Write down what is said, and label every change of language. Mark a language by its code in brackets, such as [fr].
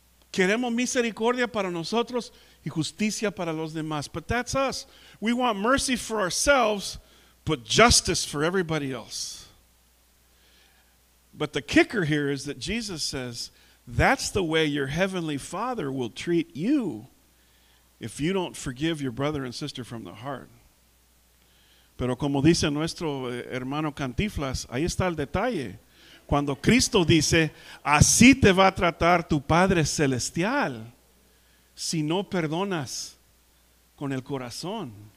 [es] Queremos misericordia para nosotros y justicia para los demás. [en] But that's us. We want mercy for ourselves, but justice for everybody else. But the kicker here is that Jesus says, that's the way your heavenly Father will treat you if you don't forgive your brother and sister from the heart. [es] Pero como dice nuestro hermano Cantiflas, ahí está el detalle. Cuando Cristo dice, así te va a tratar tu Padre Celestial si no perdonas con el corazón.